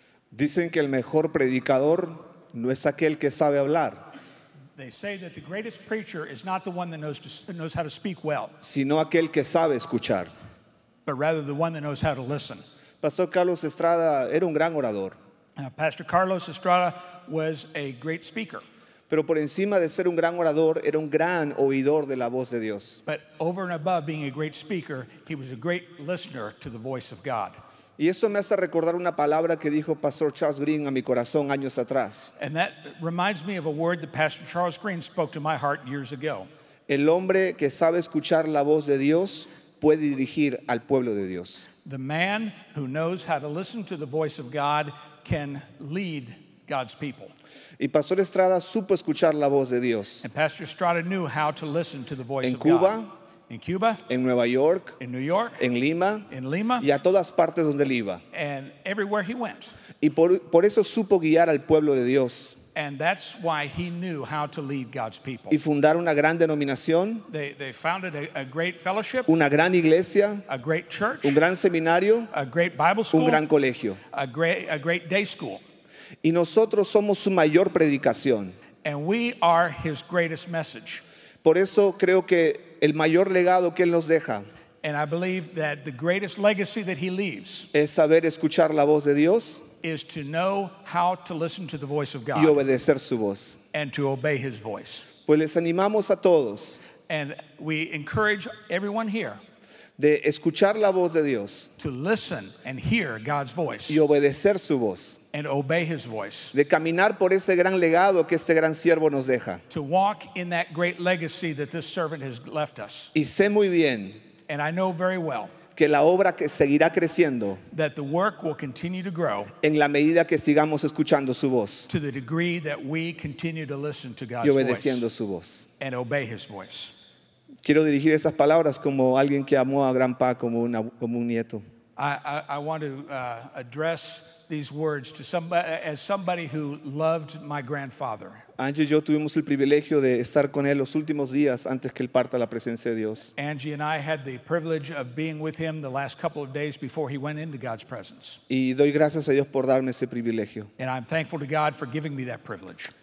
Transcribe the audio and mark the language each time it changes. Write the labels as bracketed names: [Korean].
[Spanish] Dicen que el mejor predicador no es aquel que sabe hablar, [English] They say that the greatest preacher is not the one that knows how to speak well, [Spanish] sino aquel que sabe escuchar. [English] But rather the one that knows how to listen. [Spanish] Pastor Carlos Estrada era un gran orador. [English] Pastor Carlos Estrada was a great speaker. [Spanish] Pero por encima de ser un gran orador, era un gran oidor de la voz de Dios. [English] But over and above being a great speaker, he was a great listener to the voice of God. [Spanish] Y eso me hace recordar una palabra que dijo Pastor Charles Green a mi corazón años atrás. [English] And that reminds me of a word that Pastor Charles Green spoke to my heart years ago. [Spanish] El hombre que sabe escuchar la voz de Dios puede dirigir al pueblo de Dios. [English] The man who knows how to listen to the voice of God can lead God's people. [Spanish] Y Pastor Estrada supo escuchar la voz de Dios. [English] And Pastor Estrada knew how to listen to the voice of Cuba, God. In Cuba, [Spanish] en Nueva York, [English] in New York, [Spanish] en Lima, [English] in Lima, [Spanish] y a todas partes donde él iba. [English] And everywhere he went. [Spanish] Y por eso supo guiar al pueblo de Dios. [English] And that's why he knew how to lead God's people. [Spanish] Y fundar una gran denominación. [English] They founded a great fellowship. [Spanish] Una gran iglesia. [English] A great church. [Spanish] Un gran seminario. [English] A great Bible school. [Spanish] Un gran colegio. [English] A great day school. [Spanish] Y nosotros somos su mayor predicación. [English] And we are his greatest message. [Spanish] Por eso creo que el mayor legado que él nos deja. [English] And I believe that the greatest legacy that he leaves. [Spanish] Es saber escuchar la voz de Dios. [English] Is to know how to listen to the voice of God. [Spanish] Y obedecer su voz. [English] And to obey his voice. [Spanish] Pues les animamos a todos. [English] And we encourage everyone here. [Spanish] De escuchar la voz de Dios. [English] To listen and hear God's voice. [Spanish] Y obedecer su voz. [English] And obey his voice. [Spanish] De caminar por ese gran legado que este gran siervo nos deja. [English] To walk in that great legacy that this servant has left us. [Spanish] Y sé muy bien. [English] And I know very well. [Spanish] Que la obra que seguirá creciendo. [English] That the work will continue to grow. [Spanish] En la medida que sigamos escuchando su voz. [English] To the degree that we continue to listen to God's voice. [Spanish] Y obedeciendo su voz. [English] And obey his voice. [Spanish] Quiero dirigir esas palabras como alguien que amó a Gran Pa como una, como un nieto. [English] I want to address these words to somebody, as somebody who loved my grandfather. [Spanish] Angie y yo tuvimos el privilegio de estar con él los últimos días antes que él parta a la presencia de Dios. [English] Angie and I had the privilege of being with him the last couple of days before he went into God's presence. [Spanish] Y doy gracias a Dios por darme ese privilegio. [English] And I'm thankful to God for giving me that privilege.